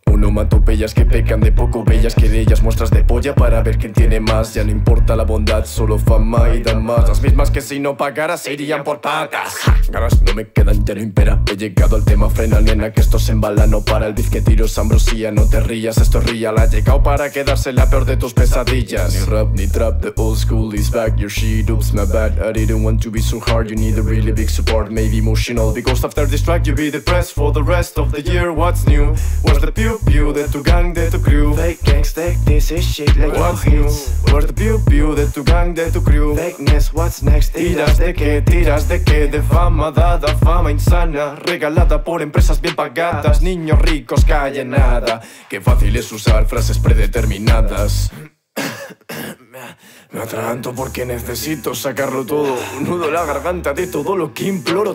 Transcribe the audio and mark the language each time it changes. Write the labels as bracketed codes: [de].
[es] Onomatopeyas que pecan de poco bellas, querellas, muestras de polla para ver quién tiene más. Ya no importa la bondad, solo fama y damas. Las mismas que si no pagara se irían por patas. Ganas no me quedan, ya no impera. He llegado al tema, frena nena, que esto se embala. No para el biz que tiro es ambrosía, no te rías, esto es real. Ha llegado para quedarse la peor de tus pesadillas. Ni rap ni trap, [en] the old school is back. Your shit oops, my bad. I didn't want to be so hard, you need a really big support. Maybe emotional, because after this track you'll be depressed for the rest of the year. What's new? Where's the pew? View [es] de tu gang, de tu crew. [en] Fake gangsters, this is shit like what's your hits. World view, view [es] de tu gang, de tu crew. [en] Fakeness, what's next? [es] Tiras de qué, tiras de qué. De fama dada, fama insana, regalada por empresas bien pagadas. Niños ricos, calle nada. Qué fácil es usar frases predeterminadas. Me atraganto porque necesito sacarlo todo. Un nudo en la garganta de todo lo que imploro.